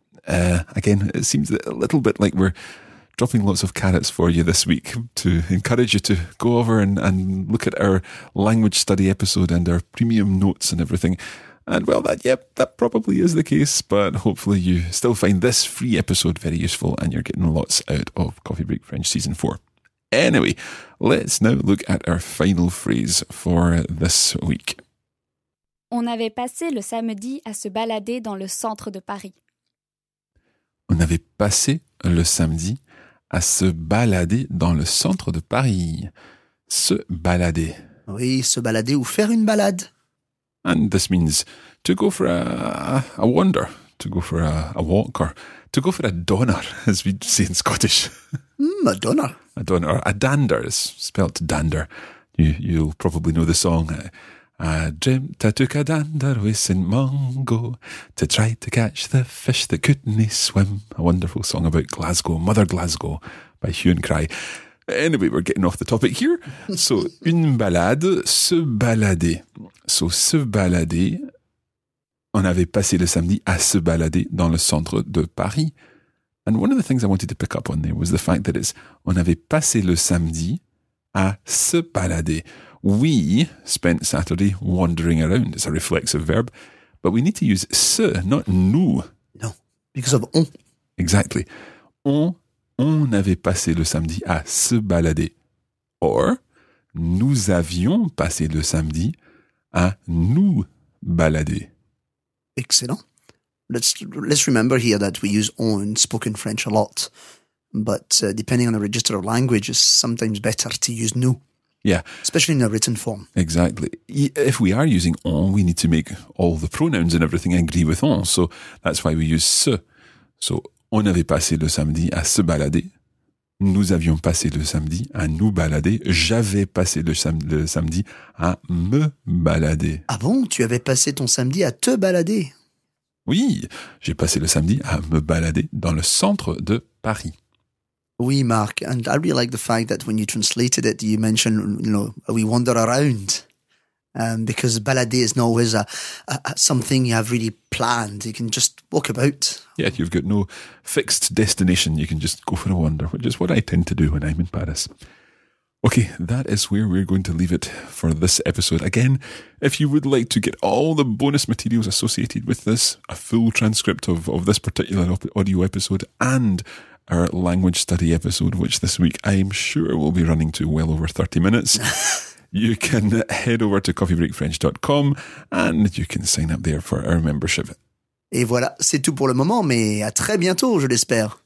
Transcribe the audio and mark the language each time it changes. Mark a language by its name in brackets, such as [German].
[English] Again, it seems a little bit like we're dropping lots of carrots for you this week to encourage you to go over and look at our language study episode and our premium notes and everything. And well, that probably is the case, but hopefully you still find this free episode very useful and you're getting lots out of Coffee Break French Season 4. Anyway, let's now look at our final phrase for this week. [French] On avait passé le samedi à se balader dans le centre de Paris. On avait passé le samedi à se balader dans le centre de Paris. Se balader. Oui, se balader ou faire une balade. [English] And this means to go for a wander, to go for a walk, or to go for a donner, as we say in Scottish. A donner. A donner. A dander is spelt dander. You'll probably know the song. I dreamt I took a dander with St. Mungo to try to catch the fish that couldn't swim. A wonderful song about Glasgow, Mother Glasgow, by Hugh and Cry. Anyway, we're getting off the topic here. So, [French] une balade, se balader. [English] So, [French] se balader, on avait passé le samedi à se balader dans le centre de Paris. [English] And one of the things I wanted to pick up on there was the fact that it's [French] on avait passé le samedi à se balader. [English] We spent Saturday wandering around. It's a reflexive verb. But we need to use se, not nous. No, because of on. Exactly. [French] On avait passé le samedi à se balader. Or, nous avions passé le samedi à nous balader. [English] Excellent. Let's remember here that we use on in spoken French a lot. But depending on the register of language, it's sometimes better to use nous. Yeah. Especially in a written form. Exactly. If we are using on, we need to make all the pronouns and everything agree with on. So that's why we use se. [French] So on avait passé le samedi à se balader. Nous avions passé le samedi à nous balader. J'avais passé le samedi à me balader. Ah bon, tu avais passé ton samedi à te balader. Oui, j'ai passé le samedi à me balader dans le centre de Paris. Oui, [English] Marc, and I really like the fact that when you translated it, you mentioned, you know, we wander around. Because balader is not always a something you have really planned. You can just walk about. Yeah, you've got no fixed destination. You can just go for a wander, which is what I tend to do when I'm in Paris. Okay, that is where we're going to leave it for this episode. Again, if you would like to get all the bonus materials associated with this, a full transcript of this particular audio episode and our language study episode, which this week I'm sure will be running to well over 30 minutes. You can head over to coffeebreakfrench.com and you can sign up there for our membership. [French] Et voilà, c'est tout pour le moment, mais à très bientôt, je l'espère.